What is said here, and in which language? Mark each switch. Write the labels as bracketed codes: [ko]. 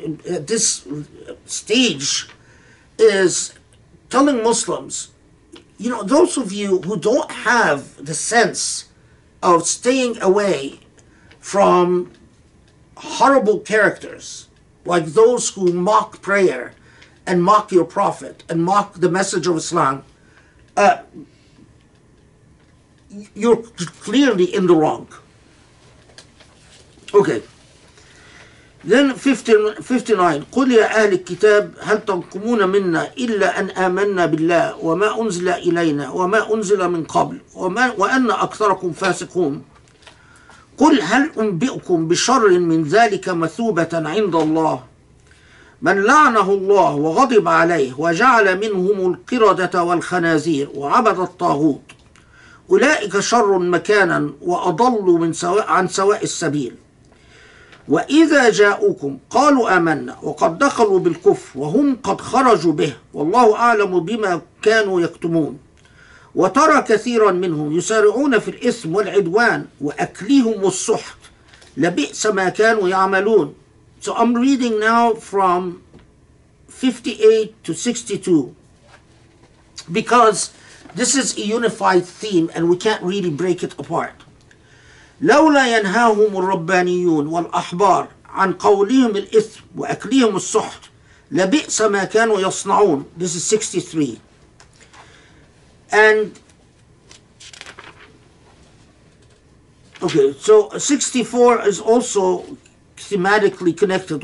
[en] at this stage is telling Muslims, you know, those of you who don't have the sense of staying away from horrible characters like those who mock prayer and mock your prophet and mock the message of Islam, you're clearly in the wrong. Okay. Then 59, [ar] قُلْ يَا أَهْلِ الْكِتَابِ هَلْ تَنْقُمُونَ مِنَّا إِلَّا أَنْ آمَنَّا بِاللَّهِ وَمَا أُنْزِلَ إِلَيْنَا وَمَا أُنْزِلَ مِنْ قَبْلِ وَأَنَّ أَكْثَرَكُمْ فَاسِقُونَ قُلْ هَلْ أُنْبِئُكُمْ بِشَرٍ مِنْ ذَلِكَ مَثُوبَةً عِنْدَ اللَّهِ من لعنه الله وغضب عليه وجعل منهم القردة والخنازير وعبد الطاغوت أولئك شر مكانا وأضل من سواء عن سواء السبيل وإذا جاءوكم قالوا آمنا وقد دخلوا بالكفر وهم قد خرجوا به والله أعلم بما كانوا يكتمون وترى كثيرا منهم يسارعون في الإثم والعدوان وأكلهم السحت لبئس ما كانوا يعملون. [en] So I'm reading now from 58 to 62 because this is a unified theme and we can't really break it apart. [ar] لولا ينهاهم الربانيون والأحبار عن قولهم الإثم وأكلهم السحت لبئس ما كانوا يصنعون. [en] This is 63. And okay, so 64 is also thematically connected.